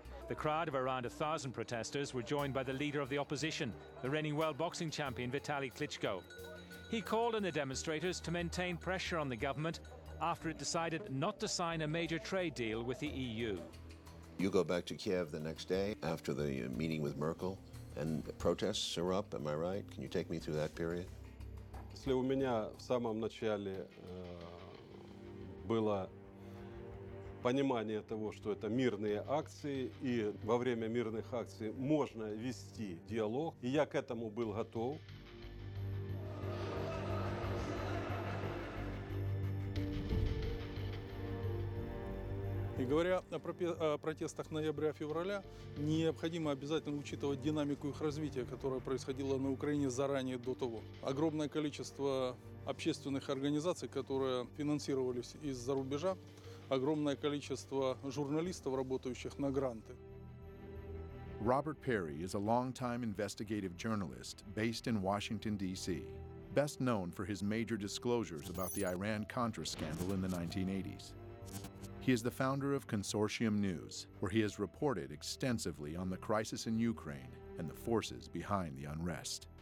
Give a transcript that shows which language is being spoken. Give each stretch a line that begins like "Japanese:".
English: The crowd of around 1,000 protesters were joined by the leader of the opposition, the reigning world boxing champion Vitali Klitschko. He called on the demonstrators to maintain pressure on the government after it decided not to sign a major trade deal with the EU. You go back to Kiev the next day after the meeting with Merkel, and the protests are up, am I right? Can you take me through that period?
Russian: Если у меня в самом начале было понимание того, что это мирные акции, и во время мирных акций можно вести диалог, и я к этому был готов. И говоря о протестах ноября-февраля, необходимо обязательно учитывать динамику их развития, которая происходила на Украине заранее до того. Огромное количество общественных организаций, которые финансировались из-за рубежа, огромное количество журналистов, работающих на гранты.
English: Robert Perry is a long-time investigative journalist based in Washington, D.C., best known for his major disclosures about the Iran-Contra scandal in the 1980s. He is the founder of Consortium News, where he has reported extensively on the crisis in Ukraine and the forces behind the unrest.